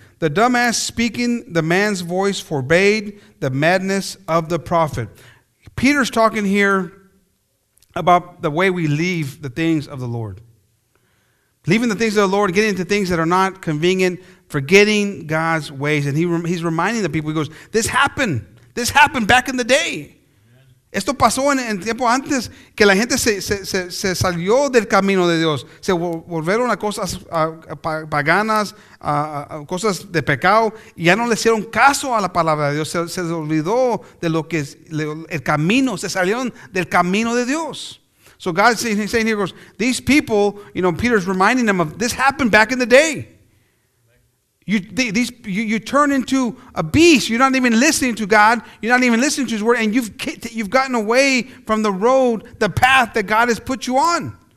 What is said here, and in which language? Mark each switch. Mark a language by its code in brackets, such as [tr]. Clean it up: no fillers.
[en] The dumbass speaking the man's voice forbade the madness of the prophet. Peter's talking here about the way we leave the things of the Lord. Leaving the things of the Lord, getting into things that are not convenient, forgetting God's ways. And he's reminding the people. He goes, this happened. This happened back in the day. [es] Esto pasó en el tiempo antes que la gente se salió del camino de Dios. Se volvieron a cosas paganas, a cosas de pecado, y ya no le hicieron caso a la palabra de Dios. Se olvidó de lo que es el camino. Se salieron del camino de Dios. [en] So God is saying, he goes, these people, you know, Peter's reminding them of this happened back in the day. You turn into a beast. You're not even listening to God. You're not even listening to his word. And you've gotten away from the road, the path that God has put you on.